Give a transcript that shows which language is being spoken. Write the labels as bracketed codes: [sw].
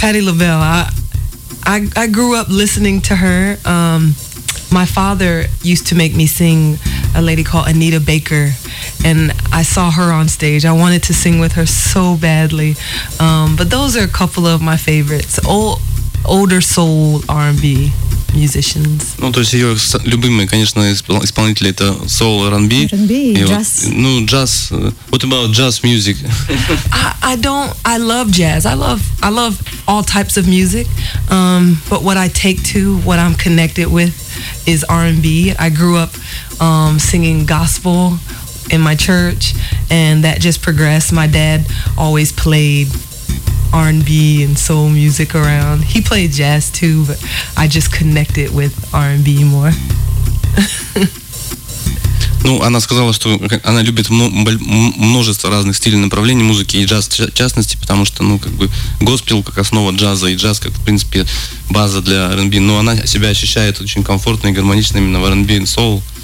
[en] Patti LaBelle. I grew up listening to her. My father used to make me sing a lady called Anita Baker, and I saw her on stage. I wanted to sing with her so badly. But those are a couple of my favorites. Older soul R&B musicians. [ru] Ну, то есть ее любимые, конечно, исполнители — это soul R&B. [en] R&B, jazz. Ну, jazz. What about jazz music? I love jazz. I love all types of music. But what I take to, what I'm connected with, is R&B. I grew up singing gospel in my church, and that just progressed. My dad always played R&B and soul music around. He played jazz too, but I just connected with R&B more. [ru] Ну, она сказала, что она любит множество разных стилей, направлений музыки, и джаз в частности, потому что, ну, как бы, госпел как основа джаза, и джаз как, в принципе, база для R&B. Но она себя ощущает очень комфортно и гармонично именно в R&B и soul.